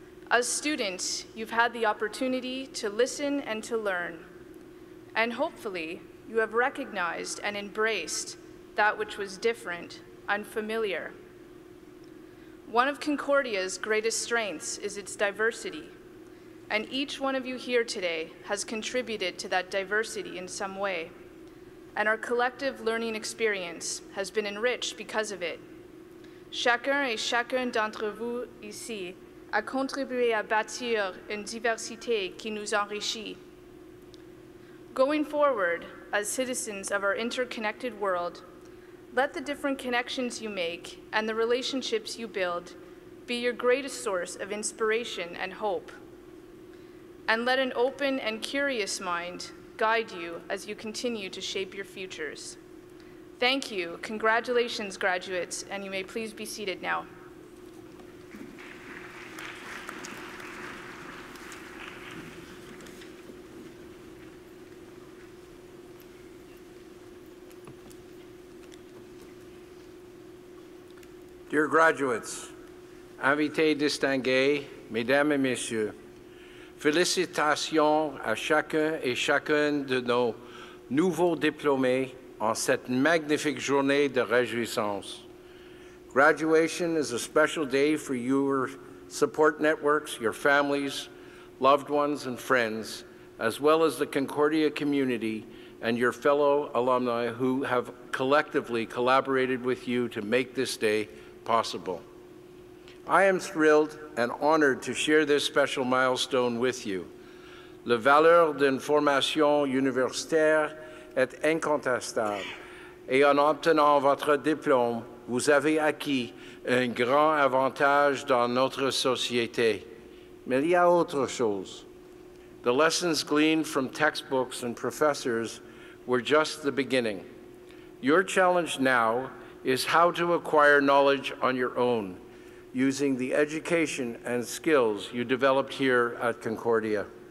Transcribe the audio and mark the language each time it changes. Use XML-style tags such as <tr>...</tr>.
<en>As students, you've had the opportunity to listen and to learn, and hopefully you have recognized and embraced that which was different, unfamiliar. One of Concordia's greatest strengths is its diversity, and each one of you here today has contributed to that diversity in some way, and our collective learning experience has been enriched because of it.</en> <fr>Chacun et chacun d'entre vous ici a contribué à bâtir une diversité qui nous enrichit.</fr> <en>Going forward, as citizens of our interconnected world, let the different connections you make and the relationships you build be your greatest source of inspiration and hope. And let an open and curious mind guide you as you continue to shape your futures. Thank you. Congratulations, graduates, and you may please be seated now. Dear graduates,</en> <fr>invités distingués, mesdames et messieurs, félicitations à chacun et chacune de nos nouveaux diplômés en cette magnifique journée de réjouissance.</fr> <en>Graduation is a special day for your support networks, your families, loved ones, and friends, as well as the Concordia community and your fellow alumni who have collectively collaborated with you to make this day possible. I am thrilled and honored to share this special milestone with you.</en> <fr>La valeur d'une formation universitaire est incontestable. Et en obtenant votre diplôme, vous avez acquis un grand avantage dans notre société. Mais il y a autre chose.</fr> <en>The lessons gleaned from textbooks and professors were just the beginning. Your challenge now is how to acquire knowledge on your own, using the education and skills you developed here at Concordia.</en>